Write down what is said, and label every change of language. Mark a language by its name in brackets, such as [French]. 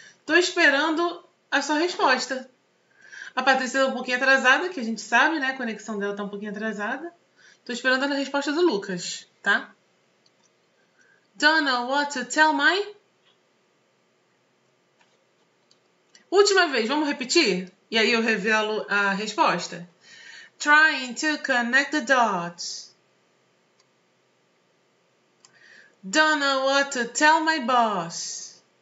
[Portuguese] Estou esperando a sua resposta. A Patrícia está um pouquinho atrasada, que a gente sabe, né? A conexão dela está um pouquinho atrasada. Estou esperando a resposta do Lucas, tá? [English] Don't know what to tell my. [Portuguese] Última vez, vamos repetir? E aí eu revelo a resposta. [English] Trying to connect the dots. Don't know what to tell my boss.